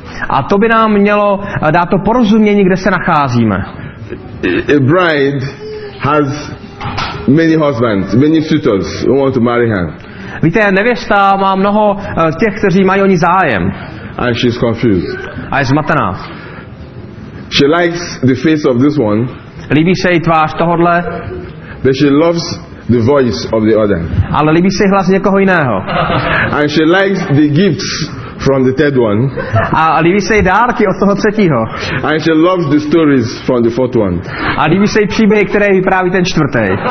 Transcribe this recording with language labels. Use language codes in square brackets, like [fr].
[cs] A to by nám mělo dát to porozumění, kde se nacházíme. [en] A bride has many husbands, many suitors who want to marry her. [cs] Víte, nevěsta má mnoho těch, kteří mají o ní zájem. [en] And she's confused. [cs] A je zmatená. [en] She likes the face of this one. [cs] Líbí se jí tvář tohodle. [en] But she loves the voice of the other. [cs] Ale líbí se jí hlas někoho jiného. [en] And she likes the gifts from the third one. [cs] A líbí se jí dárky od toho třetího. [en] And she loves the stories from the fourth one. [cs] A líbí se jí příběhy, které vypráví ten čtvrtý.